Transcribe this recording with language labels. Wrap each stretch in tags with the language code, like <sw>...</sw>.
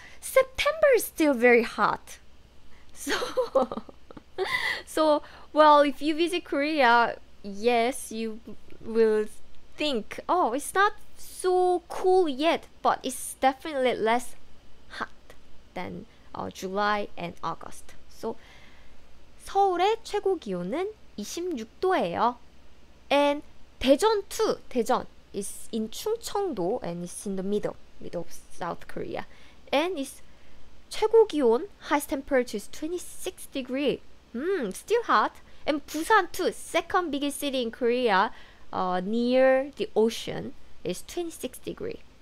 <en>September is still very hot. So, if you visit Korea, yes, you will think, oh, it's not so cool yet, but it's definitely less hot than July and August.</en> <ko>So, 서울의 최고 기온은 26도예요.</ko> <en>And 대전 too. 대전 is in Chungcheongdo and it's in the middle of South Korea. And it's 최고 기온, highest temperature is 26 degrees. Still hot. And Busan too, second biggest city in Korea, near the ocean, is 26 degrees.</en>